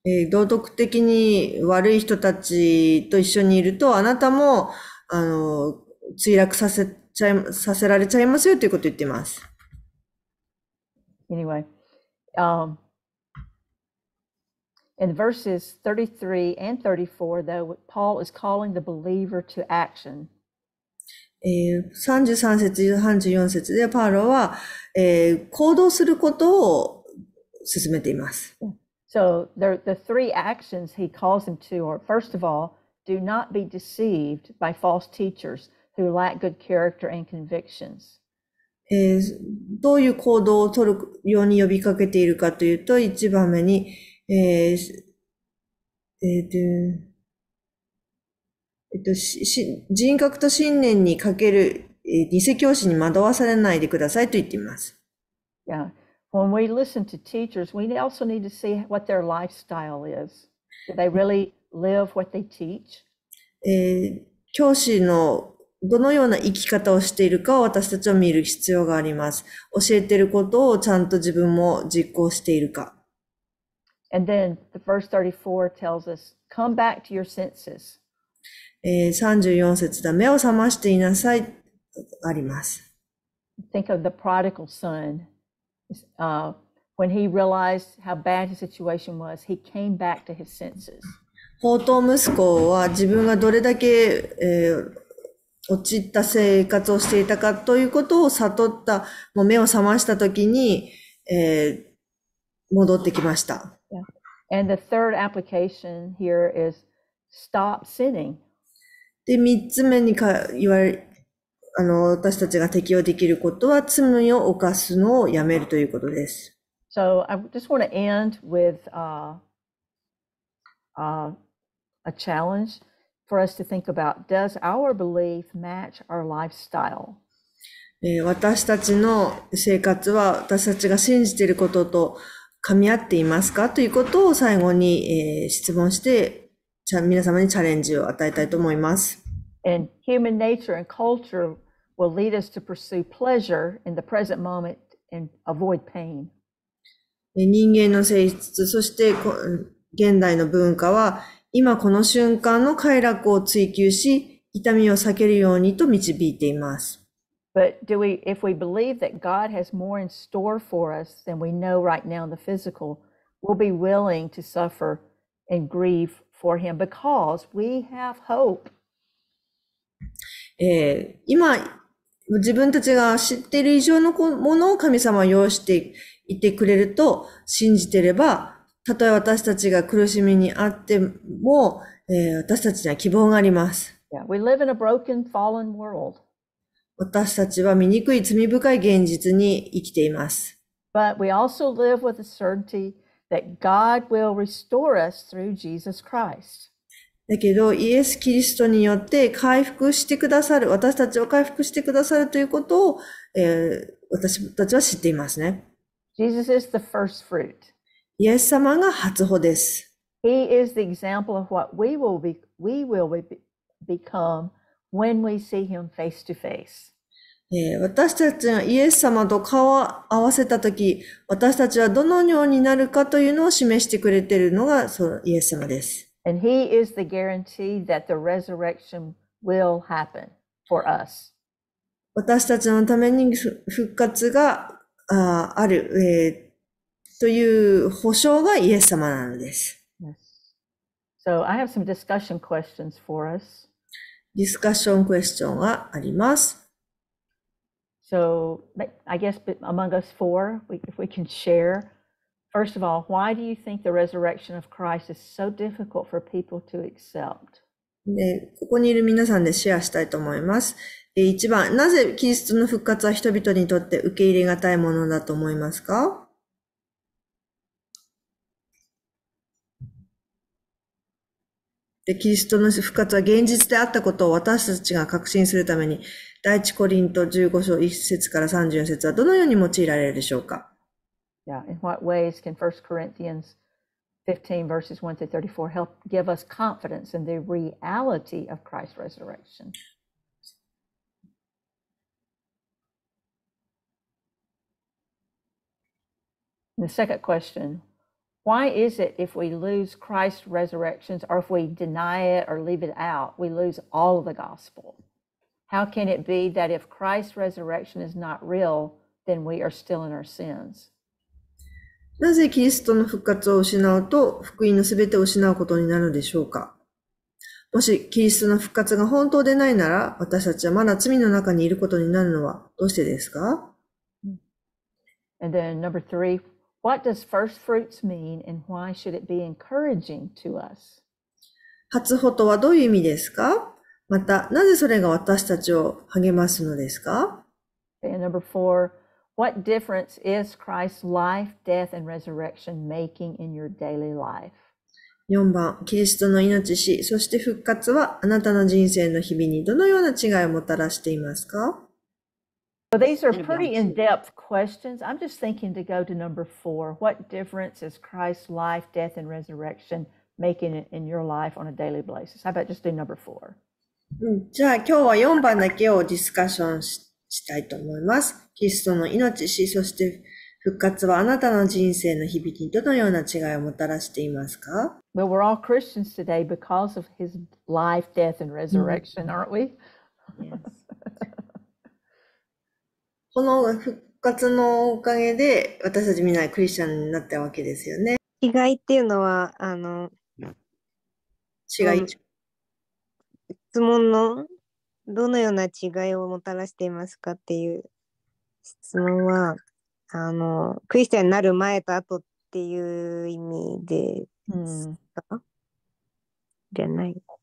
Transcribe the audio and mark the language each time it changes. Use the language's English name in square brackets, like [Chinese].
[Japanese] 道徳的に悪い人たちと一緒にいると、あなたも、墜落させちゃい、させられちゃいますよということを言っています。 [English] Anyway, in verses 33 and 34, though, Paul is calling the believer to action. [Japanese] 33節、34節で、パウロは、行動することを勧めています。 [English] So the three actions he calls them to are, first of all, do not be deceived by false teachers who lack good character and convictions. [Japanese] どういう行動を取るように呼びかけているかというと、一番目に、人格と信念に欠ける、偽教師に惑わされないでくださいと言っています。 [English] Yeah. When we listen to teachers, we also need to see what their lifestyle is. Do they really live what they teach? [Japanese] 教師のどのような生き方をしているかを私たちは見る必要があります。教えていることをちゃんと自分も実行しているか。 [English] And then the verse 34 tells us, come back to your senses. [Japanese] 34節だ、目を覚ましていなさい、あります。 [English] Think of the prodigal son. When he realized how bad his situation was, he came back to his senses. [Japanese] 放蕩息子は自分がどれだけ、落ちた生活をしていたかということを悟った、もう目を覚ました時に、戻ってきました。 [English] Yeah. And the third application here is stop sinning. [Japanese] で、三つ目にか言われ、私たちが適用できることは罪を犯すのをやめるということです。 [English] So I just want to end with a challenge for us to think about. Does our belief match our lifestyle? [Japanese] 私たちの生活は私たちが信じていることと噛み合っていますかということを最後に、質問して皆様にチャレンジを与えたいと思います。 [English] And human nature and culturewill lead us to pursue pleasure in the present moment and avoid pain. [Japanese] 人間の性質、そして現代の文化は、今この瞬間の快楽を追求し、痛みを避けるようにと導いています。 [English] But do we, if we believe that God has more in store for us than we know right now in the physical, we'll be willing to suffer and grieve for Him because we have hope. [Japanese] 今、自分たちが知っている以上のものを神様は用意していてくれると信じていれば、たとえ私たちが苦しみにあっても、私たちには希望があります。 [English] Yeah, we live in a broken, fallen world. [Japanese] 私たちは醜い罪深い現実に生きています。 [English] But we also live with the certainty that God will restore us through Jesus Christ. [Japanese] だけど、イエス・キリストによって回復してくださる、私たちを回復してくださるということを、私たちは知っていますね。 [English] Jesus is the first fruit. [Japanese] イエス様が初穂です。 [English] He is the example of what we will be, become when we see him face to face. [Japanese] 私たちがイエス様と顔を合わせたとき、私たちはどのようになるかというのを示してくれているのがそのイエス様です。 [English] And he is the guarantee that the resurrection will happen for us. [Japanese] 私たちのために復活がある、という保証がイエス様なのです。 [English] Yes. So I have some discussion questions for us. [Japanese] ディスカッションクエスチョンがあります。 [English] So I guess among us four, if we can share, first of all, why do you think the resurrection of Christ is so difficult for people to accept? [Japanese] で、ここにいる皆さんでシェアしたいと思います。一番、なぜキリストの復活は人々にとって受け入れがたいものだと思いますか？で、キリストの復活は現実であったことを私たちが確信するために、第一コリント15章1節から34節はどのように用いられるでしょうか？ [English] Yeah, in what ways can 1 Corinthians 15 verses 1 through 34 help give us confidence in the reality of Christ's resurrection? The second question, why is it if we lose Christ's resurrection or if we deny it or leave it out, we lose all of the gospel? How can it be that if Christ's resurrection is not real, then we are still in our sins? [Japanese] なぜキリストの復活を失うと福音のすべてを失うことになるでしょうか？もしキリストの復活が本当でないなら、私たちはまだ罪の中にいることになるのはどうしてですか？ [English] And then number three,What does first fruits mean and why should it be encouraging to us? [Japanese] 初穂とはどういう意味ですか？また、なぜそれが私たちを励ますのですか？ [English] And number four, what difference is Christ's life, death, and resurrection making in your daily life? [Japanese] 4番、キリストの命、死、そして復活はあなたの人生の日々にどのような違いをもたらしていますか？ [English] So these are pretty in-depth questions. I'm just thinking to go to number four. What difference is Christ's life, death, and resurrection making in your life on a daily basis? How about just do number four? [Japanese] じゃあ今日は4番だけをディスカッションしたいと思います。キリストの命、死、そして復活はあなたの人生の日々にどのような違いをもたらしていますか？ [English] Well, we're all Christians today because of his life, death, and resurrection, aren't we? Yes. [Japanese] この復活のおかげで私たちみんなクリスチャンになったわけですよね。被害っていうのは、違い、質問のどのような違いをもたらしていますかっていう質問は、クリスチャンになる前と後っていう意味で、じゃない。